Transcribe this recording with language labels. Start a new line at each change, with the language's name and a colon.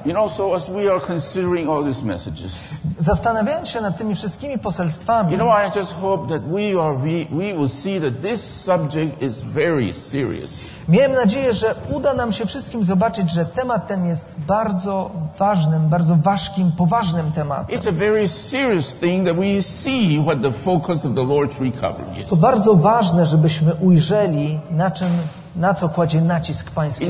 English: You know, so as we are considering all these messages,
Polish: zastanawiając się nad tymi wszystkimi poselstwami,
English: you know, I just hope that we will see that this subject is very serious.
Polish: Miałem nadzieję, że uda nam się wszystkim zobaczyć, że temat ten jest bardzo ważnym, bardzo ważkim, poważnym tematem.
English: It's a very serious thing that we see what the focus of the Lord's recovery is.
Polish: To bardzo ważne, żebyśmy ujrzeli, na czym, na co kładzie nacisk Pański